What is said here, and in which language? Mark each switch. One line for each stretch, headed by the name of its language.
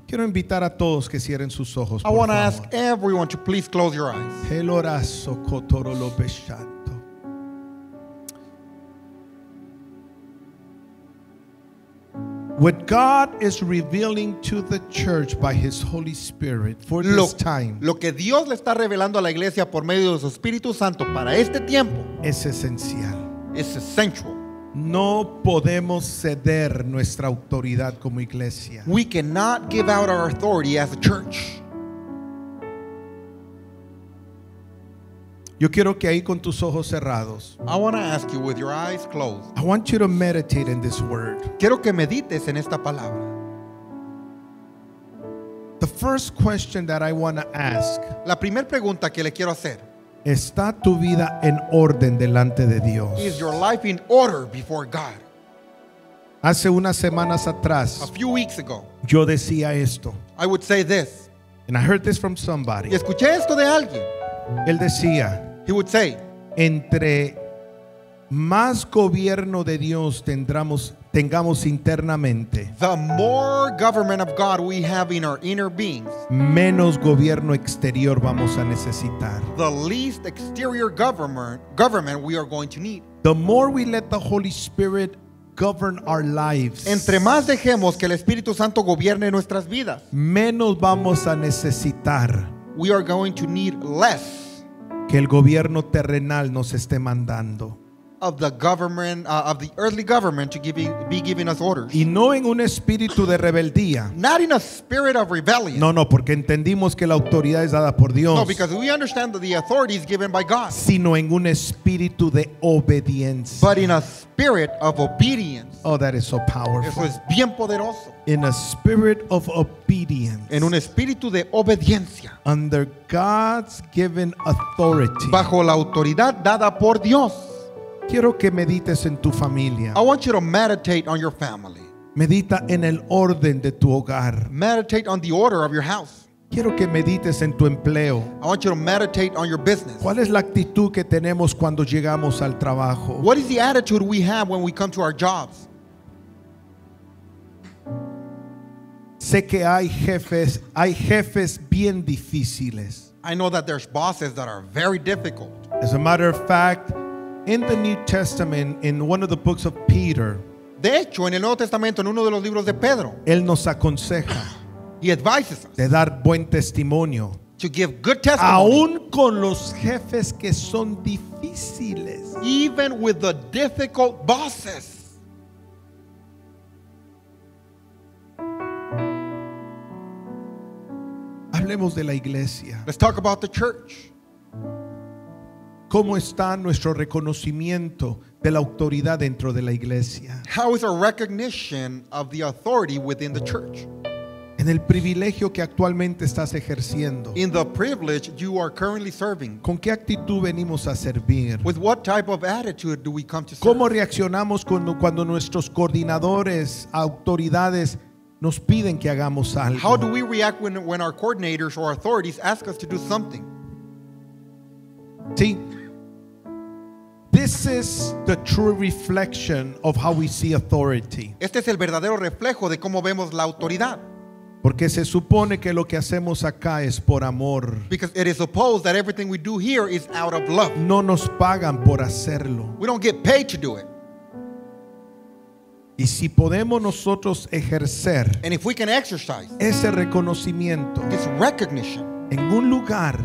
Spanish: Quiero invitar a todos que cierren sus ojos.
English: I want to ask everyone to please close your eyes. El orazo cotoro lo pesciato. What God is revealing to the church by His Holy Spirit for this time.
Spanish: Lo que Dios le está revelando a la iglesia por medio de su Espíritu Santo para este tiempo. Es esencial. Es esencial. No podemos ceder nuestra autoridad como iglesia.
English: We cannot give out our authority as a church.
Spanish: Yo quiero que ahí con tus ojos cerrados.
English: I want to ask you with your eyes closed. I want you to meditate in this word.
Spanish: Quiero que medites en esta palabra.
English: The first question that I want to ask.
Spanish: La primera pregunta que le quiero hacer. ¿Está tu vida en orden delante de Dios?
English: Is your life in order before God?
Spanish: Hace unas semanas atrás,
English: a few weeks ago,
Spanish: yo decía esto.
English: I would say this. And I heard this from somebody.
Spanish: Y escuché esto de alguien. Él decía,
English: he would say,
Spanish: entre más gobierno de Dios tengamos internamente,
English: the more government of God we have in our inner beings,
Spanish: menos gobierno exterior vamos a necesitar,
English: the least exterior government we are going to need, the more we let the Holy Spirit govern our lives,
Spanish: entre más dejemos que el Espíritu Santo gobierne nuestras vidas, menos vamos a necesitar,
English: we are going to need less,
Spanish: que el gobierno terrenal nos esté mandando,
English: of the government, of the earthly government, to give, be giving us orders.
Spanish: Y no en un espíritu de rebeldía.
English: Not in a spirit of rebellion.
Spanish: No, no, porque entendimos que la autoridad es dada por Dios.
English: No, because we understand that the authority is given by God.
Spanish: Sino en un espíritu de obediencia.
English: But in a spirit of obedience. Oh, that is so powerful.
Spanish: Eso es bien poderoso.
English: In a spirit of obedience.
Spanish: En un espíritu de obediencia.
English: Under God's given authority.
Spanish: Bajo la autoridad dada por Dios. Quiero que medites en tu familia.
English: I want you to meditate on your family.
Spanish: Medita en el orden de tu hogar.
English: Meditate on the order of your house.
Spanish: Quiero que medites en tu empleo.
English: I want you to meditate on your business.
Spanish: ¿Cuál es la actitud que tenemos cuando llegamos al trabajo?
English: What is the attitude we have when we come to our jobs?
Spanish: Sé que hay jefes bien difíciles.
English: I know that there's bosses that are very difficult. As a matter of fact, in the New Testament, in one of the books of Peter,
Spanish: de hecho, en el Nuevo Testamento, en uno de los libros de Pedro, él nos aconseja,
English: he advises us,
Spanish: de dar buen testimonio,
English: to give good testimony,
Spanish: aun con los jefes que son difíciles,
English: even with the difficult bosses.
Spanish: Hablemos de la iglesia.
English: Let's talk about the church.
Spanish: ¿Cómo está nuestro reconocimiento de la autoridad dentro de la iglesia?
English: How is our recognition of the authority within the church?
Spanish: En el privilegio que actualmente estás ejerciendo.
English: In the privilege you are currently serving.
Spanish: ¿Con qué actitud venimos a servir?
English: With what type of attitude do we come to serve?
Spanish: ¿Cómo reaccionamos cuando nuestros coordinadores, autoridades nos piden que hagamos algo?
English: How do we react when our coordinators or authorities ask us to do something? See, this is the true reflection of how we see authority.
Spanish: Este es el verdadero reflejo de cómo vemos la autoridad. Porque se supone que lo que hacemos acá es por amor.
English: Because it is supposed that everything we do here is out of love.
Spanish: No nos pagan por hacerlo.
English: We don't get paid to do it.
Spanish: Y si podemos nosotros ejercer,
English: and if we can exercise,
Spanish: ese reconocimiento,
English: this recognition,
Spanish: en un lugar,